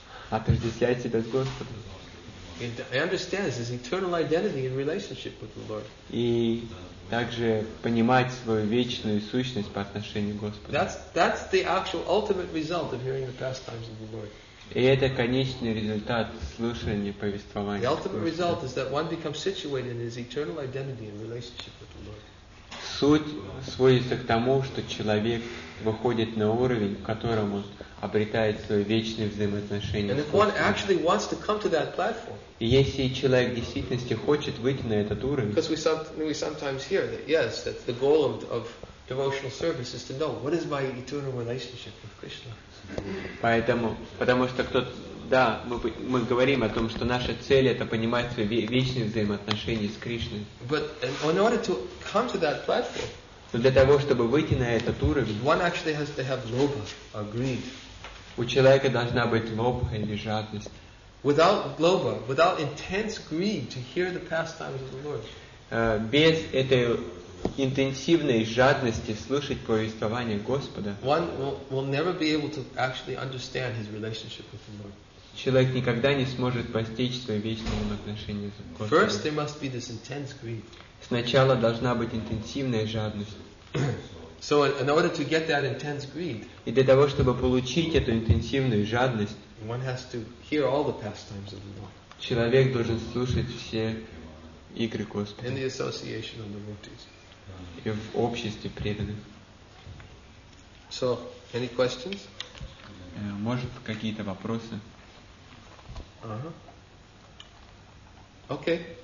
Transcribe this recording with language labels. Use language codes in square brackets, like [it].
[ru] Отождествляет себя с Господом. [en] He understands his eternal identity in relationship with the Lord. [ru] И также понимать свою вечную сущность по отношению к Господу. [en] That's the actual ultimate result of hearing the pastimes of the Lord. [ru] И это конечный результат слушания повествования. [en] The ultimate result is that one becomes situated in his eternal identity and relationship with the Lord. [ru] Суть сводится к тому, что человек выходит на уровень, в котором он обретает свое вечное взаимоотношение. [en] And if one actually wants to come to that platform. [ru] Если человек в действительности хочет выйти на этот уровень. [en] Because we sometimes hear that yes, that the goal of devotional service is to know what is my eternal relationship with Krishna. [ru] Поэтому, потому что мы говорим о том, что наша цель это понимать свои вечные взаимоотношения с Кришной. [en] But in order to come to that platform, [ru] но для того, чтобы выйти на этот уровень, [en] one actually has to have lobha or greed. [ru] У человека должна быть лобха или жадность. [en] Without lobha, without intense greed to hear the pastimes of the Lord. [ru] Без этой интенсивной жадности слушать повествование Господа. [en] One will never be able to actually understand his relationship with the Lord. [ru] Человек никогда не сможет постичь свое вечное отношение с Господом. [en] First there must be this intense greed. [ru] Сначала должна быть интенсивная жадность. [en] So in order to get that intense greed. [ru] И для того, чтобы получить эту интенсивную жадность, [en] one has to hear all the pastimes of the Lord. [ru] Человек должен слушать все игры Господа. [en] In the association of the devotees. [ru] И в обществе преданных. [en] So, any questions? [ru] Может, какие-то вопросы? [en] Uh-huh. Okay.